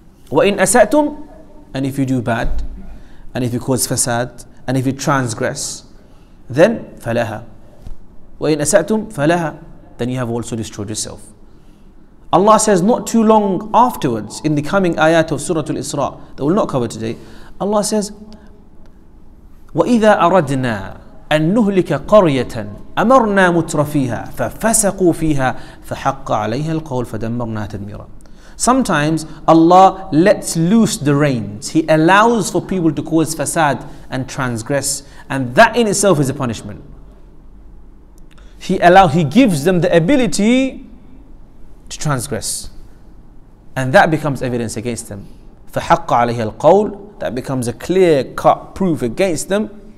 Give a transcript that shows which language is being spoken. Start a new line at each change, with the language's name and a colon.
Arabic: وَإِنْ أَسَأْتُمْ
English: And if you do bad, and if you cause fasad, and if you transgress, then
Arabic: فَلَهَا وَإِنْ أَسَأْتُمْ فَلَهَا
English: Then you have also destroyed yourself. Allah says not too long afterwards in the coming ayat of Surah Al-Isra that we'll not cover today. Allah says,
Arabic: وَإِذَا أَرَدْنَا أَن نُهْلِكَ قَرْيَةً أَمَرْنَا مُتْرَفِيهَا فَفَسَقُوا فِيهَا فَحَقَّ عَلَيْهَا الْقَوْلَ فَدَمَّرْنَا تَدْمِيرًا
English: Sometimes Allah lets loose the reins. He allows for people to cause fasad and transgress. And that in itself is a punishment. He gives them the ability to transgress, and that becomes evidence against them.
Arabic: فَحَقَّ عَلَيْهَا الْقَوْلِ
English: That becomes a clear-cut proof against them.